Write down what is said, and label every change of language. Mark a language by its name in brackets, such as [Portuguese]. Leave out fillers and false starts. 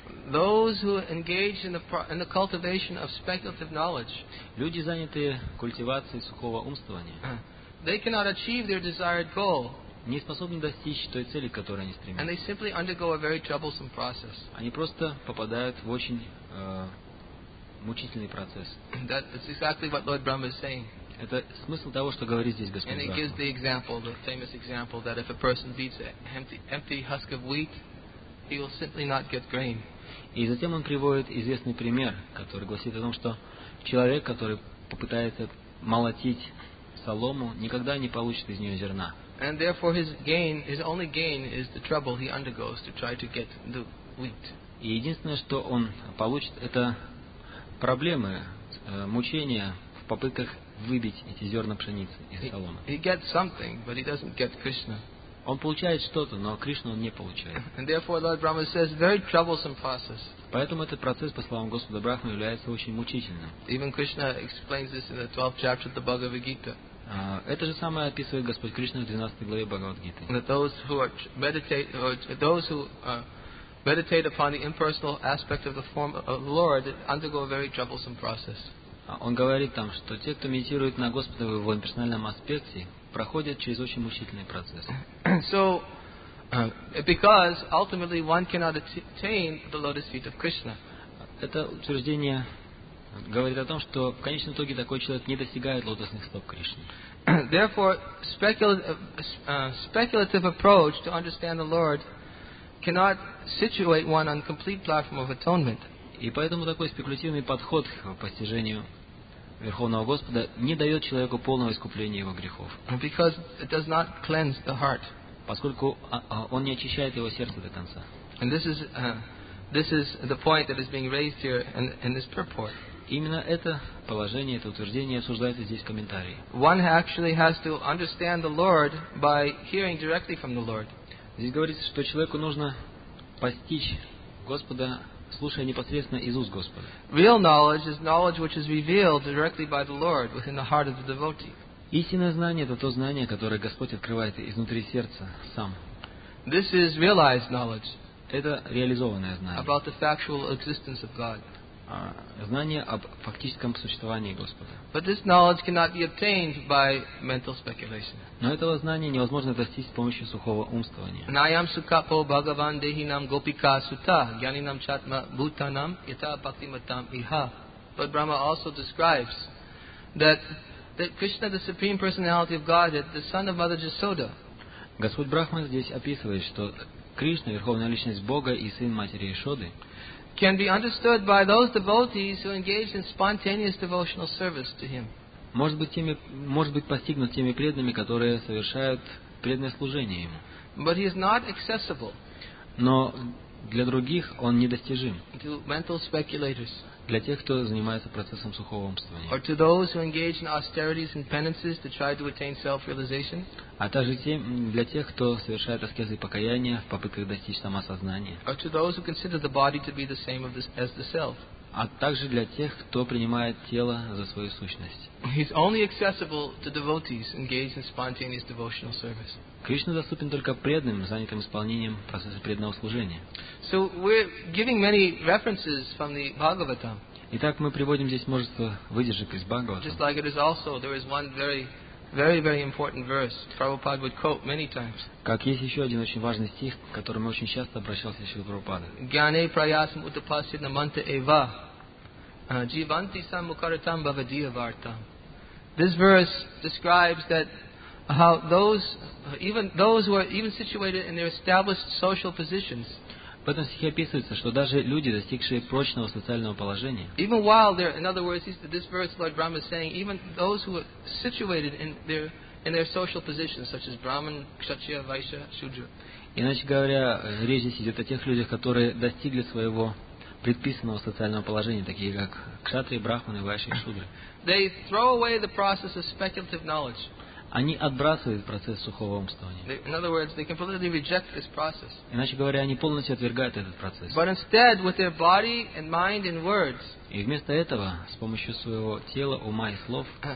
[English] Those who engage in the cultivation of speculative knowledge, [Russian] люди, занятые культивацией сухого умствования, [English] they cannot achieve their desired goal. [Russian] Не способны достичь той цели, к которой они стремятся. [English] And they simply undergo a very troublesome process. [Russian] Они просто попадают в очень мучительный процесс. [English] That is exactly what Lord Brahma is saying. [Russian] Это смысл того, что говорит здесь Господь [English] Брахма. And he gives the example, the famous example, that if a person beats an empty husk of wheat, he will simply not get grain. [Russian] И затем он приводит известный пример, который гласит о том, что человек, который попытается молотить солому, никогда не получит из нее зерна. [English] And therefore his only gain is the trouble he undergoes to try to get the wheat. [Russian] И единственное, что он получит, это проблемы, мучения в попытках выбить эти зерна пшеницы из соломы. [English] He gets something, but he doesn't get Krishna. [Russian] Он получает что-то, но Кришну он не получает. [English] And therefore Lord Brahma says very troublesome process. [Russian] Поэтому этот процесс, по словам Господа Брахмы, является очень мучительным. [English] Even Krishna explains this in the 12th chapter of the Bhagavad Gita. [Russian] Это же самое описывает Господь Кришна в 12 главе Бхагавад-гиты. [English] Those who meditate upon the impersonal aspect of the form of the Lord undergo a very troublesome process. [Russian] Он говорит там, что те, кто медитирует на Господа в его имперсональном аспекте, проходят через очень мучительный процесс. [English] So, because ultimately one cannot attain the lotus feet of Krishna. [Russian] Это утверждение говорит о том, что в конечном итоге такой человек не достигает лотосных стоп Кришны. [English] Therefore, speculative approach to understand the Lord cannot situate one on complete platform of atonement. [Russian] И поэтому такой спекулятивный подход к постижению Верховного Господа не дает человеку полного искупления его грехов. [English] Because it does not cleanse the heart. [Russian] Поскольку он не очищает его сердце до конца. [English] And this is the point that is being raised here in this purport. [Russian] Именно это положение, это утверждение обсуждается здесь в комментарии. [English] One actually has to understand the Lord by hearing directly from the Lord. [Russian] Здесь говорится, что человеку нужно постичь Господа, слушая непосредственно из уст Господа. [English] Real knowledge is knowledge which is revealed directly by the Lord within the heart of the devotee. [Russian] Истинное знание — это то знание, которое Господь открывает изнутри сердца сам. [English] This is realized knowledge. [Russian] Это реализованное знание. [English] About the factual existence of God. [Russian] Знание об фактическом существовании Господа. [English] But this knowledge cannot be obtained by mental speculation. [Russian] Но этого знания невозможно достичь с помощью сухого умствования. [Sanskrit] Наям сукапо бхагаван дехинам гопика сута гьянинам чатма бутанам ита бхактиматам иха. [English] But Brahma also describes that Krishna, the Supreme Personality of Godhead, the son of Mother Jasoda. [Russian] Господь Брахма здесь описывает, что Кришна, Верховная Личность Бога и Сын Матери Ишоды, [English] can be understood by those devotees who engage in spontaneous devotional service to Him. [Russian] Может быть постигнут теми преданными, которые совершают преданное служение Ему. [English] But He is not accessible. [Russian] Но для других Он недостижим. [English] To mental speculators. [Russian] Для тех, кто занимается процессом сухого умствования. [English] Or to those who engage in austerities and penances to try to attain self-realization. [Russian] А также для тех, кто совершает аскезы и покаяния в попытках достичь самосознания. [English] Or to those who consider the body to be the same as the self. [Russian] А также для тех, кто принимает тело за свою сущность. [English] He's only accessible to devotees engaged in spontaneous devotional service. [Russian] Кришна доступен только преданным, занятым исполнением процесса преданного служения. [English] So we're giving many references from the Bhagavatam. [Russian] Итак, мы приводим здесь множество выдержек из Бхагавата. [English] Just like it is also, there is one very, very, very important verse Prabhupada would quote many times. [Russian] Как есть еще один очень важный стих, к которому очень часто обращался Шрила Прабхупада. [Sanskrit] Гьяне праясам утапасе наманте эва дживанти сам мукаритам бхавадия вартам. [English] This verse describes that how those who are situated in their established social positions, [Russian] в этом стихе описывается, что даже люди, достигшие прочного социального положения, [English] even while they're, in other words, this verse Lord Brahma is saying, even those who are situated in their social positions, such as Brahman, Kshatriya, Vaishya, Shudra. [Russian] Иначе говоря, речь здесь идет о тех людях, которые достигли своего предписанного социального положения, такие как Кшатрии, Брахманы, Вайши и Шудры. [English] They throw away the process of speculative knowledge. [Russian] Они отбрасывают процесс сухого умствования. [English] In other words, they completely reject this process. [Russian] Иначе говоря, они полностью отвергают этот процесс. [English] But instead, with their body and mind and words, [Russian] и вместо этого, с помощью своего тела, ума и слов,